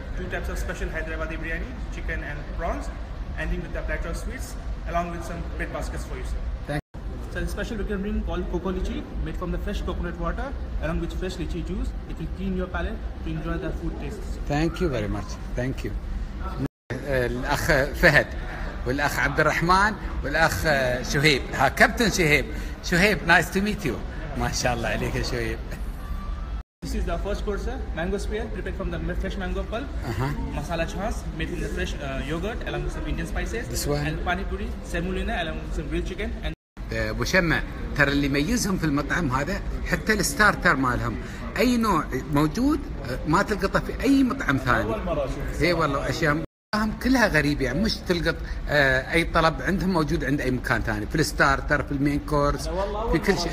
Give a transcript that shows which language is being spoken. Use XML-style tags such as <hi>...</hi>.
<en>Two types of special Hyderabadi biryani, chicken and prawns. Ending with a batch of sweets, along with some bread baskets for you, sir. So the special we can bring called Coco Lychee, made from the fresh coconut water along with fresh lychee juice. It will clean your palate to enjoy the food taste. Thank you very much. Thank you.</en> <ar>الأخ فهد والأخ عبد الرحمن والأخ شهيب. ها كابتن شهيب. شهيب</ar> <en>nice to meet you.</en> <ar>ما شاء الله عليك يا شهيب.</ar> <en>This is the first course, mango spear prepared from the fresh mango pulp. Uh-huh. Masala chhas made from the fresh yogurt along with some Indian spices. This one. And pani puri, semolina along with some grilled chicken. And</en> <ar>ابو شمع ترى اللي يميزهم في المطعم هذا حتى الستارتر مالهم اي نوع موجود ما تلقطه في اي مطعم ثاني. اول مره اشوف. اي والله اشياء كلها غريبه، يعني مش تلقط اي طلب عندهم موجود عند اي مكان ثاني، في الستارتر، في المين كورس، في كل شيء.</ar>